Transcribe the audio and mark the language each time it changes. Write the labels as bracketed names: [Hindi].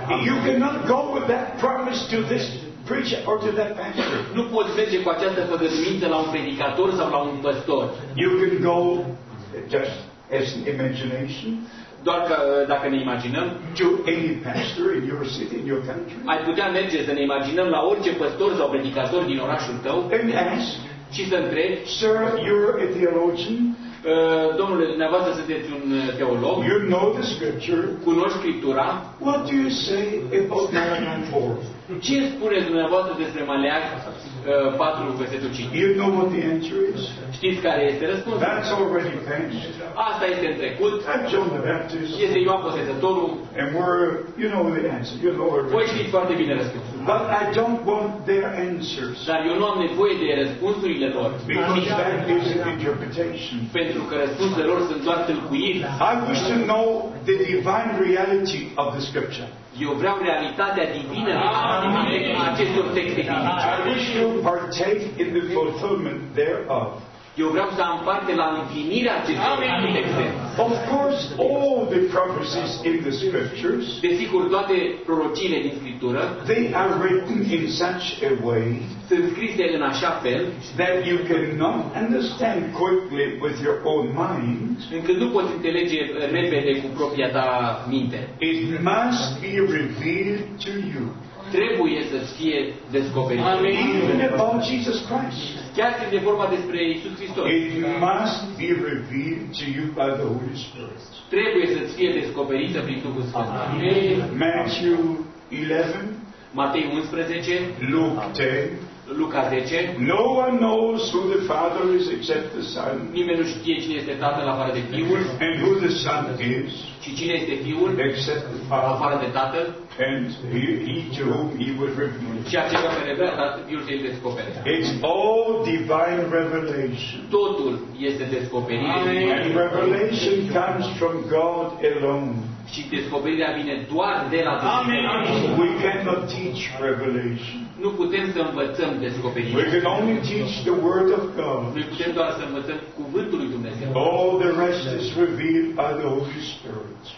[English] You cannot go with that promise to this preacher or to that pastor. [Romanian] Nu poți merge cu această făgăduință la un predicator sau la un păstor. [English] You can go just as an imagination. [Romanian] Doar că dacă ne imaginăm, [English] to any pastor in your city, in your country. [Romanian] Ai putea merge să ne imaginăm la orice păstor sau predicator din orașul tău. [English] And ask, [Romanian] și să întrebi, [English] sir, you're a theologian. [Romanian] Domnule, dumneavoastră sunteți un teolog. [English] You know the scripture. [Romanian] Cunoști scriptura. [English] What do you say about Malachi 4? [Romanian] Ce spuneți dumneavoastră despre Maleac 4, versetul 5? [English] You know what the answer is? [Romanian] Știți care este răspunsul? [English] That's already finished. [Romanian] Asta este în trecut. [English] That's John the Baptist. [Romanian] Este Ioan Botezătorul. [English] And we're, you know the answer. You know it. [Romanian] Voi știți foarte bine răspunsul. [English] But I don't want their answers. [Romanian] Dar eu nu am nevoie de răspunsurile lor. [English] Because that is an interpretation. [Romanian] Pentru că răspunsurile lor sunt doar tâlcuiri. [English] I wish to know the divine reality of the scripture. [Romanian] Eu vreau realitatea divină a acestor texte biblice. Eu vreau să am parte la împlinirea acestor texte. [English] Of course, all the prophecies in the scriptures. [Romanian] Desigur, toate prorociile din scriptură. [English] They are written in such a way. [Romanian] Sunt scrise în așa fel. [English] That you cannot understand quickly with your own mind. [Romanian] Încât nu poți înțelege repede cu propria ta minte. [English] It must be revealed to you. [Romanian] Trebuie să fie descoperit. [English] Even about Jesus Christ. [Romanian] Chiar când e vorba despre Iisus Hristos. [English] It must be revealed to you by the Holy Spirit. [Romanian] Trebuie să fie descoperită prin Duhul Sfânt. [English] Matthew 11. [Romanian] Matei 11. [English] Luke 10. [Romanian] Luca 10. [English] No one knows who the Father is except the Son. [Romanian] Nimeni nu știe cine este Tatăl afară de Fiul. [English] And who the Son is? [Romanian] Și cine este Fiul? [English] Except the Father. [Romanian] Afară de Tatăl. [English] And he to whom he was revealed. It's all divine revelation. [Romanian] Totul este descoperire. [English] And revelation comes from God alone. [Romanian] Și descoperirea vine doar de la [English] Dumnezeu. We cannot teach revelation. [Romanian] Nu putem să învățăm descoperirea. [English] We can only teach the word of God. [Romanian] Noi putem doar să învățăm cuvântul lui Dumnezeu. [English] All the rest is revealed by the Holy Spirit.